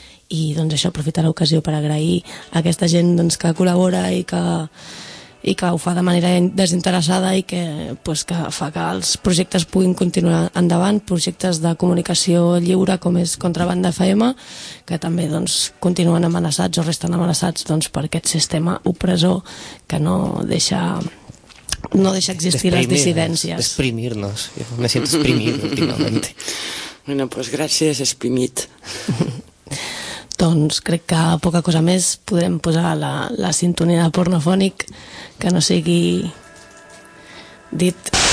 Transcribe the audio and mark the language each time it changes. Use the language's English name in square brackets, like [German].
[Catalan] I doncs això, aprofitar l'ocasió per agrair a aquesta gent doncs, que col·labora i que ho fa de manera desinteressada i que, pues, que fa que els projectes puguin continuar endavant, projectes de comunicació lliure com és Contrabanda FM, que també doncs, continuen amenaçats o resten amenaçats doncs, per aquest sistema opressor que no deixa existir les dissidències. [Spanish] Exprimir-nos, me siento exprimido últimamente. Bueno, pues gracias, exprimit. [Catalan] Doncs crec que poca cosa més podrem posar la sintonia de pornofònic que no sigui dit...